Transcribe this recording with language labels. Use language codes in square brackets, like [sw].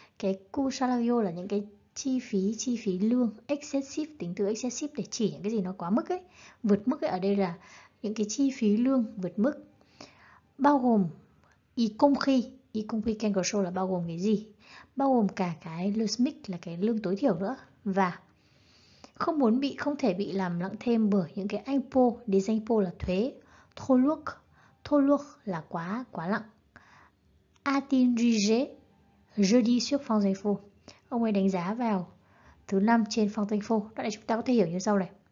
[vi] Cái coût salario là những cái chi phí lương, excessive, tính từ excessive để chỉ những cái gì nó quá mức ấy, vượt mức ấy, ở đây là những cái chi phí lương vượt mức, bao gồm [fr] y compris quelque chose [vi] là bao gồm cái gì, bao gồm cả cái le SMIC là cái lương tối thiểu nữa, và không muốn bị, không thể bị làm nặng thêm bởi những cái impôt, des impôts là thuế, [fr] trop lourd [vi] là quá, quá nặng. [fr] A-t-il jugé jeudi sur France Info? [vi] Ông ấy đánh giá vào thứ năm trên phong tinh phô. Đó là chúng ta có thể hiểu như sau này.